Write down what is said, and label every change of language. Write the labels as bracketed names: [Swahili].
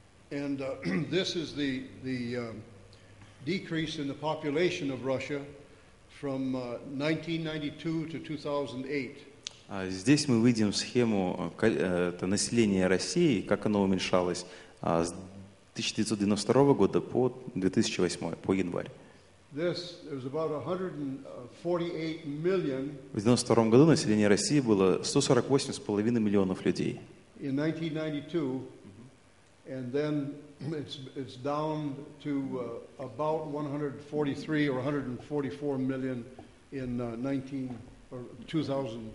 [English] And this is the decrease in the population of Russia from 1992 to 2008. [Russian] Здесь мы видим схему населения России, как оно уменьшалось с 1992 года по 2008, по январь. [English] This is about 148 million. [Russian] В 92-м году население России было 148,5 миллионов людей. [English] In 1992, and then it's down to about 143 or 144 million in 2007.